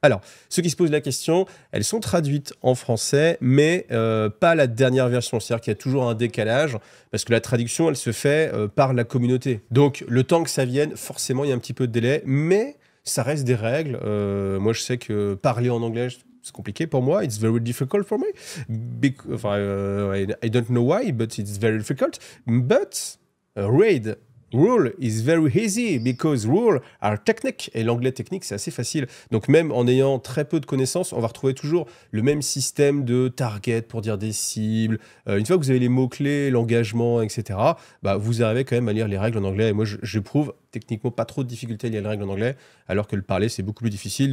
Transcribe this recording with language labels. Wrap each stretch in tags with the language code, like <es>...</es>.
<fr>Alors, ceux qui se posent la question, elles sont traduites en français, mais pas la dernière version. C'est-à-dire qu'il y a toujours un décalage, parce que la traduction, elle se fait par la communauté. Donc, le temps que ça vienne, forcément, il y a un petit peu de délai, mais ça reste des règles. Moi, je sais que parler en anglais... C'est compliqué pour moi.</fr> <en>It's very difficult for me. I don't know why, but it's very difficult. But read rule is very easy because rules are technique.</en> <fr>Et l'anglais technique, c'est assez facile. Donc même en ayant très peu de connaissances, on va retrouver toujours le même système de target pour dire des cibles. Une fois que vous avez les mots-clés, l'engagement, etc., bah, vous arrivez quand même à lire les règles en anglais. Et moi, j'éprouve techniquement pas trop de difficultés à lire les règles en anglais, alors que le parler, c'est beaucoup plus difficile.</fr>